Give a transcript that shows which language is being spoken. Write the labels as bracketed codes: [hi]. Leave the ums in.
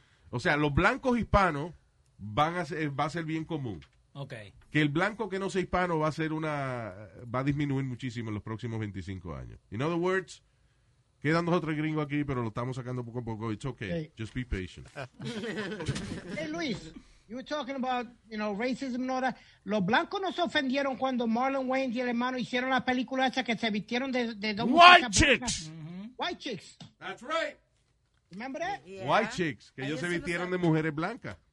[es] O sea, los blancos hispanos van a ser, va a ser bien común. Ok. Que el blanco que no sea hispano va a ser una. va a disminuir muchísimo en los próximos 25 años. [en] In other words, [es] quedan dos otros aquí, pero lo estamos sacando poco a poco. [en] It's okay. Hey. Just be patient. hey, Luis. You were talking about, you know, racism and all that. [es] Los blancos no se ofendieron cuando Marlon Wayans y el hermano hicieron la película esa que se vistieron de... [en] de dos White mujeres chicks. Mm -hmm. White chicks. That's right. Remember that? Yeah. White chicks. [es] Que ellos, ellos se vistieron de mujeres blancas.